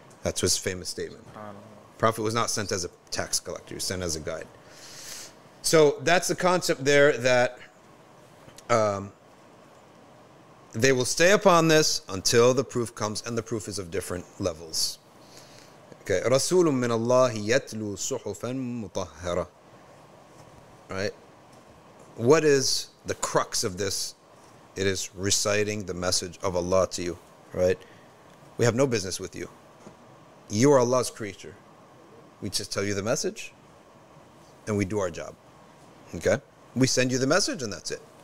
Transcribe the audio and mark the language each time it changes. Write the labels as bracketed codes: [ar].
[en] That's his famous statement. Prophet was not sent as a tax collector. He was sent as a guide. So that's the concept there that they will stay upon this until the proof comes, and the proof is of different levels. [ar] Okay, رسول من الله يتلو صحفا مطهرة. [en] Right? What is the crux of this? It is reciting the message of Allah to you, right? We have no business with you. You are Allah's creature. We just tell you the message, and we do our job. Okay? We send you the message, and that's it.